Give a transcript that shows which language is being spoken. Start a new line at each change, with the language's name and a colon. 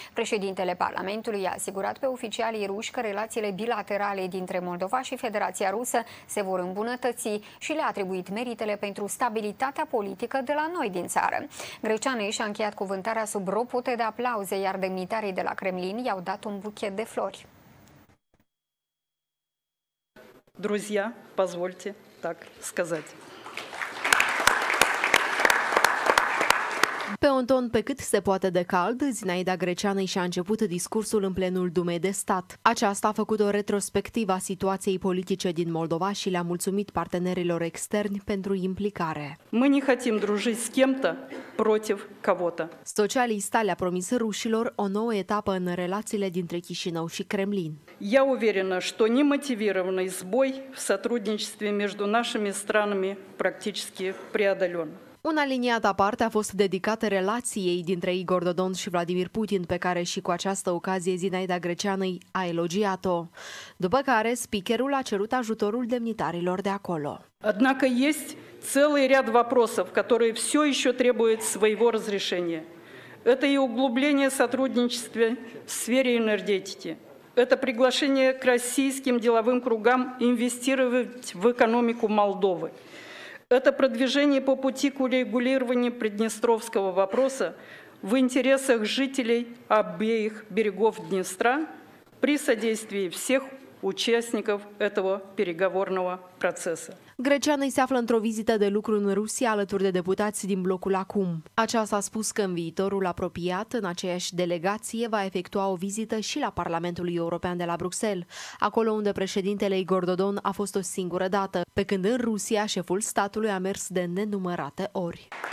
Romanian: Președintele Parlamentului i-a asigurat pe oficialii ruși că relațiile bilaterale dintre Moldova și Federația Rusă se vor îmbunătăți și le-a atribuit meritele pentru stabilitatea politică de la noi din țară. Greceanu și-a încheiat cuvântarea sub ropote de aplauze, iar demnitarii de la Kremlin i-au dat un buchet de flori.
Russian: Друзья, позвольте так сказать.
Romanian: Pe un ton pe cât se poate de cald, Zinaida Greceanu și-a început discursul în plenul Dumei de Stat. Aceasta a făcut o retrospectivă a situației politice din Moldova și le-a mulțumit partenerilor externi pentru implicare.
Russian: Мы не хотим дружить с кем-то против кого-то.
Romanian: Socialista le-a promis rușilor o nouă etapă în relațiile dintre Chișinău și Kremlin.
Russian: Я уверена, что немотивированный сбой в сотрудничестве между нашими странами практически преодолен.
Romanian: Una liniată aparte a fost dedicată relației dintre Igor Dodon și Vladimir Putin, pe care și cu această ocazie Zinaida Greceanu a elogiat-o. După care, speakerul a cerut ajutorul demnitarilor de acolo.
Russian: Однако есть целый ряд вопросов, которые все еще требуют своего разрешения. Это и углубление сотрудничества в сфере энергетики. Это приглашение к российским деловым кругам инвестировать в экономику Молдовы. Это продвижение по пути к урегулированию приднестровского вопроса в интересах жителей обеих берегов Днестра при содействии всех участников этого переговорного процесса.
Romanian: Greceanu se află într-o vizită de lucru în Rusia alături de deputați din blocul Acum. Aceasta a spus că în viitorul apropiat, în aceeași delegație, va efectua o vizită și la Parlamentul European de la Bruxelles, acolo unde președintele Igor Dodon a fost o singură dată, pe când în Rusia șeful statului a mers de nenumărate ori.